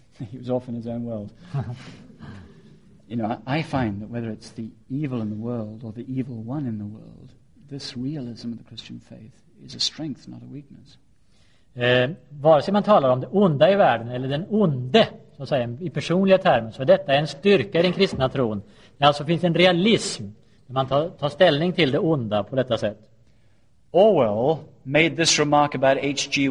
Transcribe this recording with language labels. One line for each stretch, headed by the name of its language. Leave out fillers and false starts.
English: He was off in his own world. You know, I find that whether it's the evil in the world or the evil one in the world, this realism of the Christian faith is a strength, not a weakness.
Swedish: Vare sig man talar om det onda i världen eller den onde, så att säga, i personliga termer, så är detta en styrka i den kristna tron. Det alltså finns en realism när man tar ställning till det onda på detta sätt.
English: Orwell made this remark about H.G.